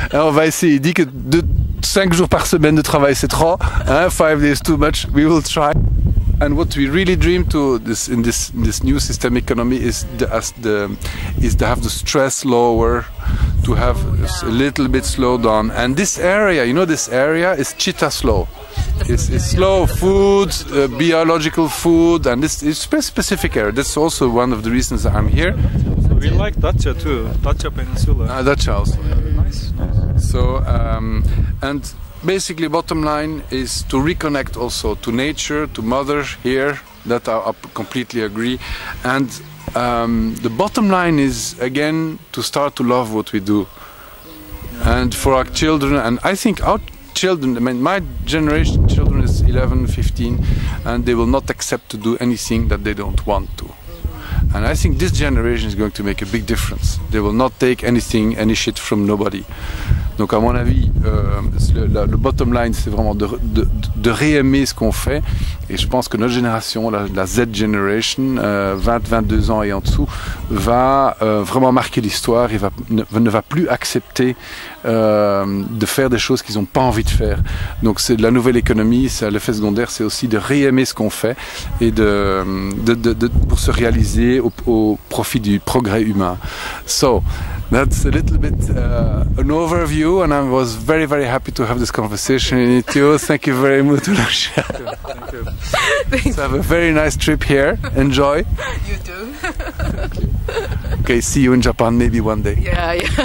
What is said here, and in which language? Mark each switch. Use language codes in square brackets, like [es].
[fr] On va essayer. Il dit que 5 jours par semaine de travail c'est trop. [en] 5 days too much. We will try. And what we really dream to this in this new system economy is to have the stress lower, to have a little bit slow down. And this area, you know, this area is Chitta Slow. It's slow food, biological food, and it's very specific area. That's also one of the reasons I'm here. So we like Dacia too, Dacia Peninsula. Dacia also. Nice. So, and basically bottom line is to reconnect also to nature, to mother here, that I completely agree. And the bottom line is, again, to start to love what we do. And for our children, and I think our children, I mean, my generation children is 11, 15, and they will not accept to do anything that they don't want to. And I think this generation is going to make a big difference. They will not take anything, any shit from nobody. [fr] Donc à mon avis, le [en] bottom line, [fr] c'est vraiment de réaimer ce qu'on fait. Et je pense que notre génération, la Z generation, 20-22 ans et en dessous, va vraiment marquer l'histoire et ne va plus accepter de faire des choses qu'ils n'ont pas envie de faire. Donc c'est de la nouvelle économie, c'est l'effet secondaire, c'est aussi de réaimer ce qu'on fait et de pour se réaliser au profit du progrès humain. [en] So, that's a little bit an overview, and I was very, very happy to have this conversation with you. Thank you very much. Thank you. Thank you. So have a very nice trip here. Enjoy. You too. Okay, see you in Japan maybe one day.